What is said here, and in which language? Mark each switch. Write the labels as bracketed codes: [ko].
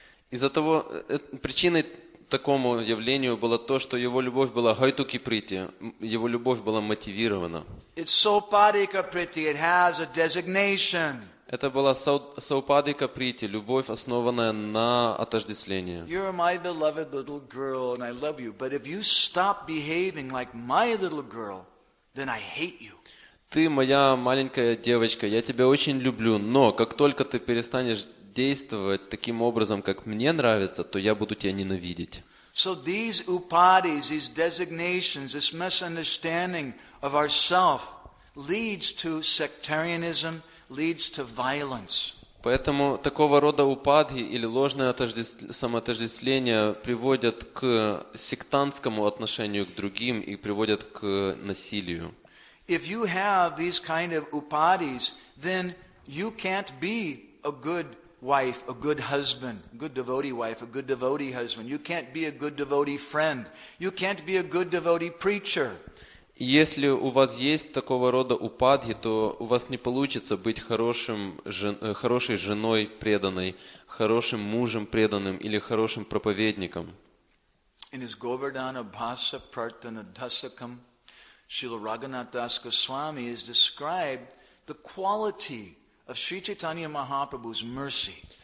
[ru] Из-за того, причиной такому явлению было то, что его любовь была hoitaki priti, его любовь была мотивирована. [en] It's sopadika priti, it has a designation. [ru] Это была саупадика прити, любовь, основанная на отождествлении. [en] You're my beloved little girl, and I love you. But if you stop behaving like my little girl, then I hate you. [ru] Ты моя маленькая девочка, я тебя очень люблю, но как только ты перестанешь действовать таким образом, как мне нравится, то я буду тебя ненавидеть. [en] So these upadis, these designations, this misunderstanding of ourself leads to sectarianism. Leads to violence. [ru] Поэтому такого рода упадхи или ложное самоотождествление приводят к сектантскому отношению к другим и приводят к насилию. [en] If you have these kind of upadis, then you can't be a good wife, a good husband, good devotee wife, a good devotee husband. You can't be a good devotee friend. You can't be a good devotee preacher. [ru] Если у вас есть такого рода упадхи, то у вас не получится быть хорошей женой преданной, хорошим мужем преданным или хорошим проповедником. [en] In his Govardhana Bhasa Pratana Dasakam, Srila Raghunath Das Goswami has described the quality of Sri Chaitanya Mahaprabhu's mercy.